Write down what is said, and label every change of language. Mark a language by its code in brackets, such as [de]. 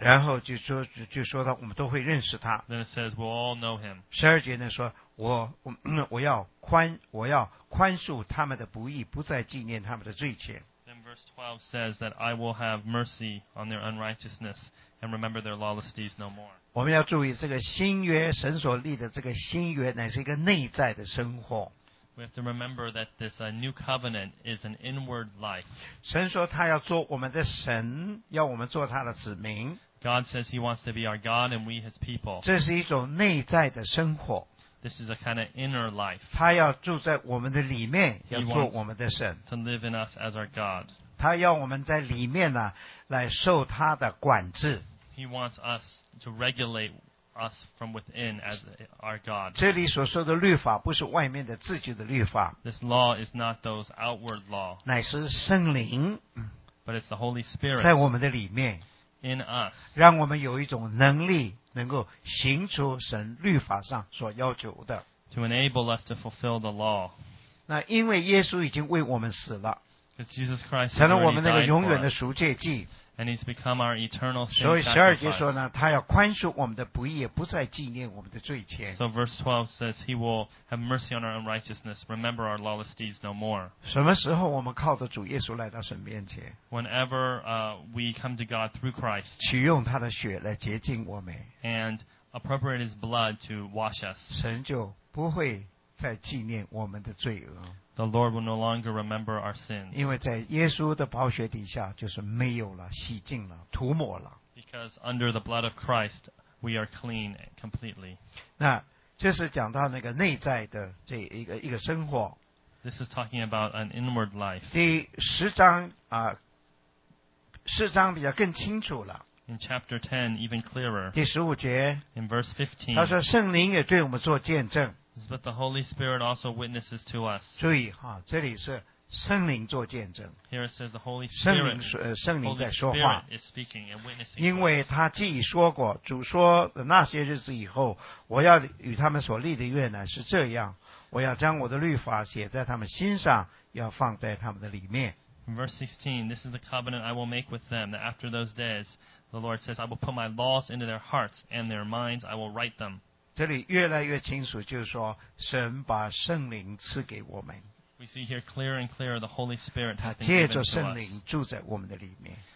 [zh] 然后就说到我们都会认识他。 [en] Then it says, we'll all know him. [zh] 十二节呢说，我要宽恕他们的不义，不再纪念他们的罪前。 [en] Verse 12 says that I will have mercy on their unrighteousness and remember their lawless deeds no more. [zh] 我们要注意这个新约，神所立的这个新约乃是一个内在的生活。 [en] We have to remember that this new covenant is an inward life. [zh] 神说他要做我们的神，要我们做他的子民。 [en] God says he wants to be our God and we his people. [zh] 这是一种内在的生活。 [en] This is a kind of inner life. [zh] 他要住在我们的里面，要做我们的神。 [en] To live in us as our God. [zh] 他要我们在里面呢，来受他的管制。 [en] He wants us to regulate us from within as our God. [zh] 这里所说的律法不是外面的自己的律法。 [en] This law is not those outward law. [zh] 乃是圣灵。 [en] But it's the Holy Spirit. [zh] 在我们的里面。 [en] In us. [zh] 让我们有一种能力。能够行出神律法上所要求的。 [en] To enable us to fulfill the law. [zh] 那因为耶稣已经为我们死了。 [en] Because Jesus Christ [zh] 成了我们那个永远的赎罪祭。 [en] And he's become our eternal sin sacrifice. [zh] 所以十二节说呢，他要宽恕我们的不义，不再纪念我们的罪前。 [en] So verse 12 says he will have mercy on our unrighteousness, remember our lawless deeds no more. [zh] 什么时候我们靠着主耶稣来到神面前 [en] ？Whenever we come to God through Christ. [zh] 取用他的血来洁净我们。 [en] And appropriate his blood to wash us. [zh] 神就不会再纪念我们的罪恶。 [en] The Lord will no longer remember our sins. [zh] 因为在耶稣的宝血底下，就是没有了，洗净了，涂抹了。 [en] Because under the blood of Christ, we are clean completely. [zh] 那这是讲到那个内在的这一个生活。 [en] This is talking about an inward life. [zh] 第十章啊，四章比较更清楚了。 [en] In chapter 10, even clearer. [zh] 第十五节。 [en] In verse 15. [zh] 他说圣灵也对我们做见证。 [en] But the Holy Spirit also witnesses to us. [zh] 注意哈，这里是圣灵做见证。 [en] Here it says the Holy Spirit. [zh] 圣灵在说话。 [en] Holy Spirit is speaking and witnessing. [zh] 因为他既已说过，主说那些日子以后，我要与他们所立的约乃是这样，我要将我的律法写在他们心上，要放在他们的里面。 [en] Verse 16, this is the covenant I will make with them that after those days, the Lord says, I will put my laws into their hearts and their minds. I will write them. [zh] 这里越来越清楚，就是说，神把圣灵赐给我们。 [en] We see here clearer and clearer the Holy Spirit. [zh] 他借着圣灵住在我们的里面。